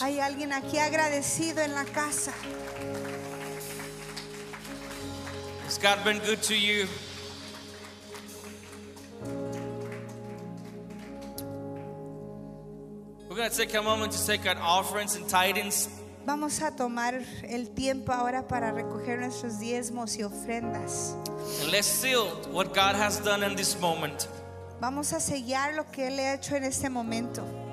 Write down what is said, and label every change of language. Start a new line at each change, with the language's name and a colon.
Spanish: Hay alguien aquí agradecido en la casa.
English: Has God been good to you? We're going to take a moment to take our offerings and tithings.
Spanish: Vamos a tomar el tiempo ahora para recoger nuestros diezmos y ofrendas.
English: And let's seal what God has done in this moment.
Spanish: Vamos a sellar lo que Él ha hecho en este momento.